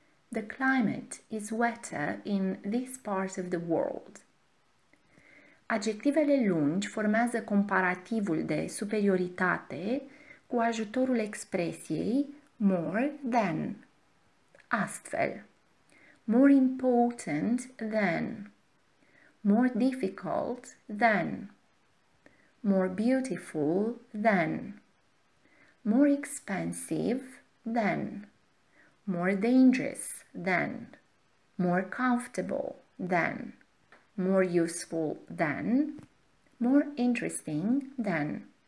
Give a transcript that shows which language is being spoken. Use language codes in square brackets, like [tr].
[en] The climate is wetter in this part of the world. [ro] Adjectivele lungi formează comparativul de superioritate cu ajutorul expresiei more than. [en] Astfel, more important than, more difficult than, more beautiful than, more expensive than, more dangerous than, more comfortable than, more useful than, more interesting than.